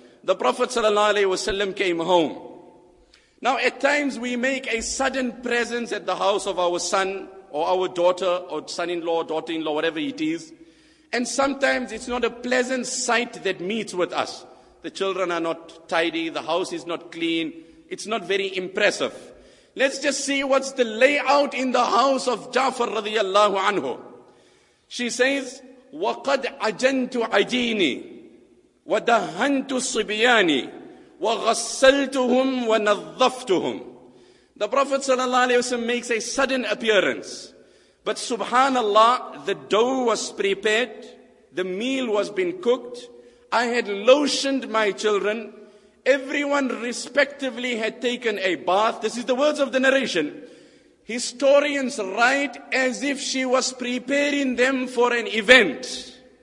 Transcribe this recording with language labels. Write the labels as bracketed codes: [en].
[en] The Prophet صلى الله عليه وسلم came home. Now at times we make a sudden presence at the house of our son or our daughter or son-in-law, daughter-in-law, whatever it is. And sometimes it's not a pleasant sight that meets with us. The children are not tidy, the house is not clean, it's not very impressive. Let's just see what's the layout in the house of Ja'far radiallahu anhu. She says, [ar] وَقَدْ عَجَنْتُ عَجِينِي وَدَهَنْتُ صِبِيَانِي وَغَسَّلْتُهُمْ وَنَظَّفْتُهُمْ. [en] The Prophet sallallahu alayhi wa sallam makes a sudden appearance. But subhanallah, the dough was prepared, the meal was being cooked, I had lotioned my children, everyone respectively had taken a bath. This is the words of the narration. Historians write as if she was preparing them for an event.